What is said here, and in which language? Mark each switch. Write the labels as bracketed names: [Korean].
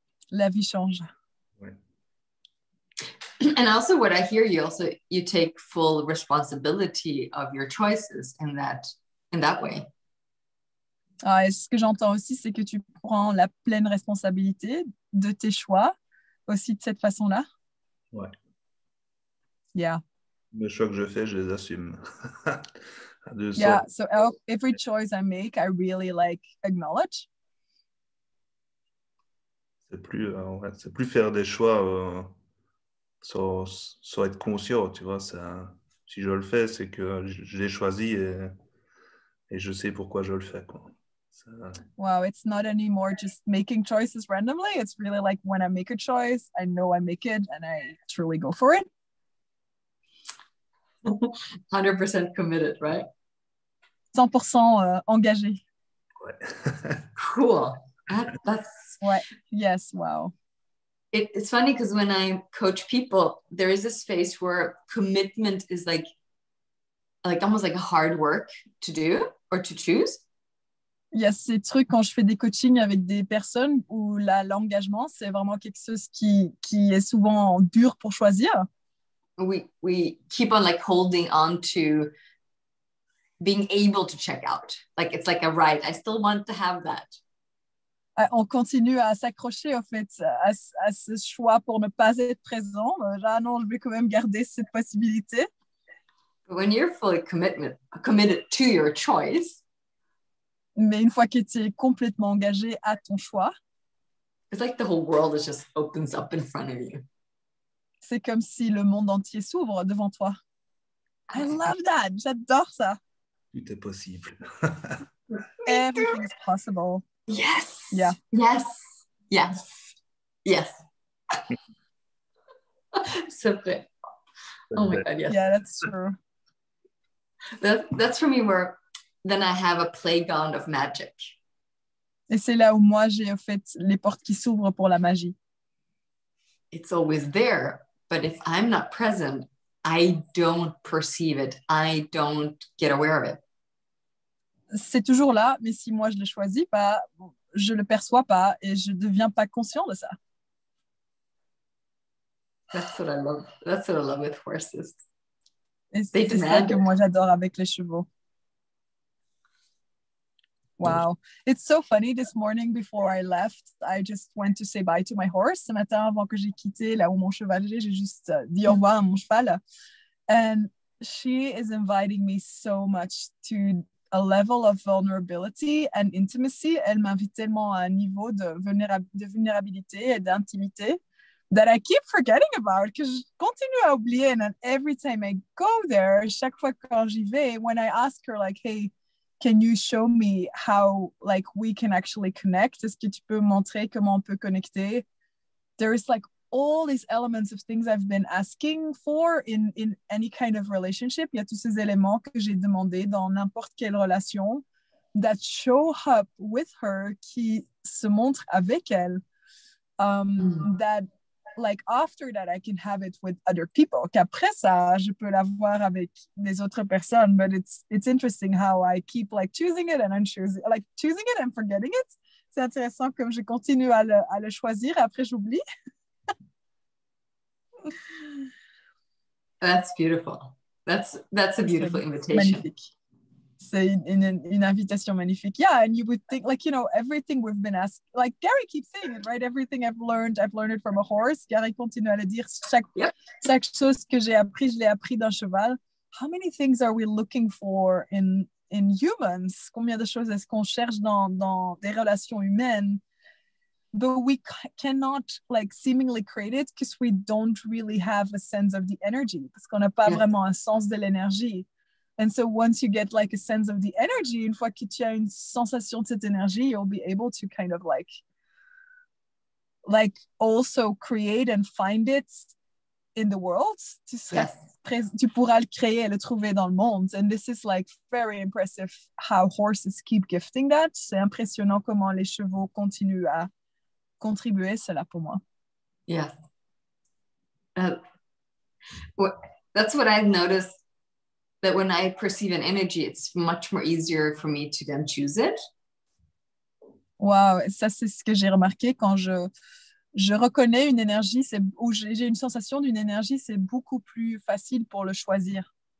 [French] La vie change. Ouais. [English] And also what I hear, you take full responsibility of your choices in that way. [French] Ah, ce que j'entends aussi, c'est que tu prends la pleine responsabilité de tes choix aussi de cette façon-là. Ouais. [English] Yeah. [French] Les choix que je fais, je les assume. [English] Yeah, so every choice I make, I really like acknowledge. [French] C'est plus faire des choix sans être conscient, tu vois. Ça, si je le fais, c'est que je l'ai choisi et je sais pourquoi je le fais, quoi. [English] Wow, it's not anymore just making choices randomly. It's really like when I make a choice, I know I make it and I truly go for it. 100% committed, right? [French] 100% engagé. [English] Cool. That's wow. It's funny because when I coach people, there is this phase where commitment is like almost like a hard work to do or to choose. [French] Il y a ces trucs quand je fais des coachings avec des personnes où l'engagement, c'est vraiment quelque chose qui est souvent dur pour choisir. [English] We keep on like holding on to being able to check out. Like it's like a right. I still want to have that. [French] On continue à s'accrocher en fait à ce choix pour ne pas être présent. Ah non, je vais quand même garder cette possibilité. [English] But when you're fully committed to your choice. [French] Mais une fois que tu es complètement engagé à ton choix, [English] it's like the whole world is just opens up in front of you. [French] C'est comme si le monde entier s'ouvre devant toi. [English] I love that. [French] J'adore ça. Tout est possible. [English] Everything is possible. Yes. Yeah. Yes. Yes. Yes. [French] C'est vrai. [English] Oh my God. Yes. Yeah, that's true. That's for me where. Then I have a playground of magic. [French] Et c'est là où moi j'ai en fait les portes qui s'ouvrent pour la magie. [English] It's always there, but if I'm not present, I don't perceive it. I don't get aware of it. [French] C'est toujours là, mais si moi je le choisis pas, je le perçois pas et je deviens pas conscient de ça. [English] That's what I love. That's what I love with horses. [French] Et c'est ça que moi j'adore avec les chevaux. [English] Wow, it's so funny. This morning before I left, I just went to say bye to my horse. [French] Ce matin, avant que j'ai quitté là où mon cheval est, j'ai juste dit au revoir à mon cheval. [English] And she is inviting me so much to a level of vulnerability and intimacy. [French] Elle m'invite tellement à un niveau de vulnérabilité et d'intimité [English] that I keep forgetting about, [French] que je continue à oublier. [English] And every time I go there, [French] chaque fois quand j'y vais, [English] when I ask her like, hey, can you show me how, like, we can actually connect? [French] Est-ce que tu peux montrer comment on peut connecter? [English] There is, like, all these elements of things I've been asking for in any kind of relationship. [French] Il y a tous ces éléments que j'ai demandé dans n'importe quelle relation [English] that show up with her, [French] qui se montre avec elle, [English] that, like, after that, I can have it with other people. [French] Qu'après ça, je peux l'avoir avec les autres personnes. [English] But it's interesting how I keep, like, choosing it and unchoosing, like, choosing it and forgetting it. [French] C'est intéressant comme je continue à le choisir et après j'oublie. [English] That's beautiful. That's a beautiful invitation. [French] Magnifique. C'est une invitation magnifique. [English] Yeah, and you would think, like, you know, everything we've been asked, like Gary keeps saying it, right? Everything I've learned it from a horse. [French] Gary continue à le dire, chaque chose que j'ai appris, je l'ai appris d'un cheval. [English] How many things are we looking for in humans? [French] Combien de choses est-ce qu'on cherche dans des relations humaines? [English] But we cannot, like, seemingly create it because we don't really have a sense of the energy. [French] Parce qu'on n'a pas vraiment un sens de l'énergie. [English] And so once you get like a sense of the energy, [French] une fois que tu as une sensation de cette énergie, [English] you'll be able to kind of like also create and find it in the world. [French] Tu pourras le créer et le trouver dans le monde. [English] And this is like very impressive how horses keep gifting that. [French] C'est impressionnant comment les chevaux continuent à contribuer cela pour moi. [English] Yeah. That's what I've noticed. That when I perceive an energy, it's much more easier for me to then choose it. [French] Wow, ça c'est ce que j'ai remarqué quand je je reconnais une énergie, c'est, ou j'ai une sensation d'une énergie, c'est beaucoup plus facile pour le choisir.